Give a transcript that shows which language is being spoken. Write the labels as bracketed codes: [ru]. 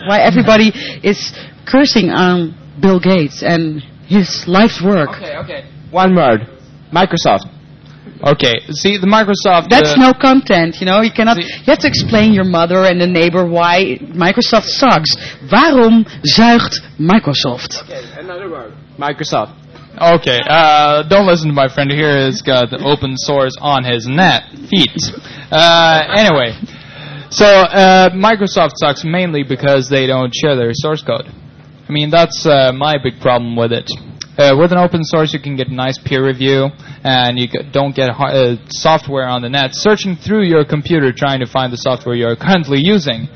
[en] Why everybody is cursing on Bill Gates and his life's work? Okay. One word. Microsoft. Okay. See, the Microsoft... That's no content, you know? You cannot. You have to explain your mother and the neighbor why Microsoft sucks. [nl] Waarom zuigt Microsoft? [en] Okay, another word. Microsoft. Okay, don't listen to my friend here. He's got the open source on his net feet. Anyway, so Microsoft sucks mainly because they don't share their source code. I mean, that's my big problem with it. With an open source, you can get a nice peer review, and you don't get software on the net searching through your computer trying to find the software you're currently using.